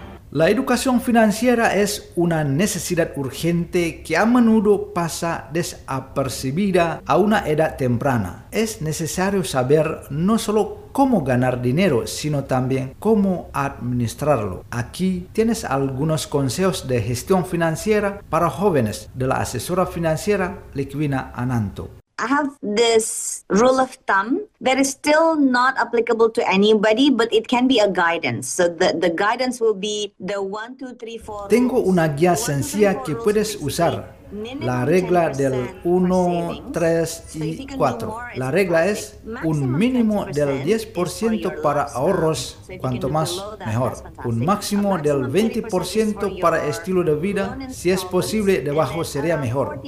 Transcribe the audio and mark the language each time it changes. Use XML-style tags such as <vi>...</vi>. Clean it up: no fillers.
<es>La educación financiera es una necesidad urgente que a menudo pasa desapercibida a una edad temprana. Es necesario saber no solo cómo ganar dinero, sino también cómo administrarlo. Aquí tienes algunos consejos de gestión financiera para jóvenes de la asesora financiera Liquina Ananto.</es> <en>I have this rule of thumb that is still not applicable to anybody, but it can be a guidance. So the guidance will be the 1, 2, 3, 4.</en> <es>Tengo una guía sencilla que puedes usar. La regla del 1, 3 y 4. La regla es un mínimo del 10% para ahorros, cuanto más mejor. Un máximo del 20% para estilo de vida, si es posible debajo sería mejor.</es>